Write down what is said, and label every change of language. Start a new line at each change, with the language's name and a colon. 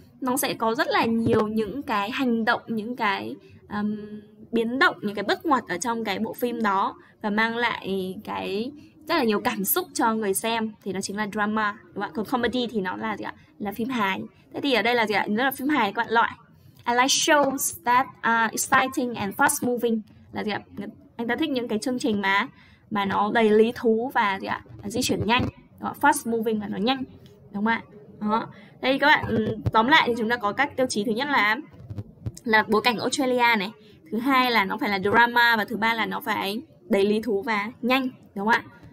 Vietnamese: Nó sẽ có rất là nhiều những cái hành động, những cái biến động, những cái bất ngoặt ở trong cái bộ phim đó và mang lại cái rất là nhiều cảm xúc cho người xem, thì nó chính là drama, đúng không ạ? Còn comedy thì nó là gì ạ? Là phim hài. Thế thì ở đây là gì ạ? Nó là phim hài các bạn loại.
English: I like shows that are exciting and fast moving,
Vietnamese: là gì ạ? Anh ta thích những cái chương trình mà nó đầy lý thú và gì ạ? Là di chuyển nhanh, đúng không ạ? Fast moving là nó nhanh, đúng không ạ? Đó. Đây các bạn, tóm lại thì chúng ta có các tiêu chí. Thứ nhất là bối cảnh Australia này. Thứ hai là nó phải là drama. Và thứ ba là nó phải đầy lý thú và nhanh, đúng không ạ?